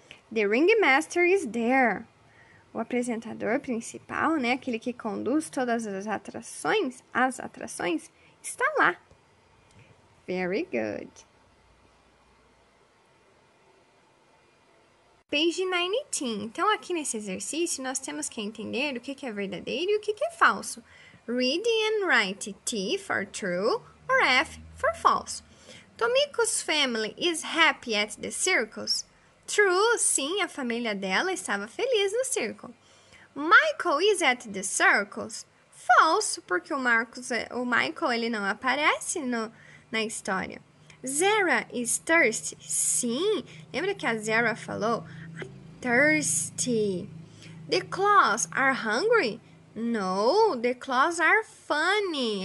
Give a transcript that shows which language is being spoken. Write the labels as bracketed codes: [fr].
[en] The ringmaster is there. [pt] O apresentador principal, né, aquele que conduz todas as atrações, está lá. [en] Very good. Page 19. [pt] Então, aqui nesse exercício, nós temos que entender o que é verdadeiro e o que é falso. [en] Read and write T for true or F for false. Tomiko's family is happy at the circus. [pt] True, sim, a família dela estava feliz no circo. [en] Michael is at the circus. [pt] Falso, porque o Michael ele não aparece no, na história. [en] Zara is thirsty. [pt] Sim, lembra que a Zara falou? [en] I'm thirsty. The claws are hungry? No, the claws are funny.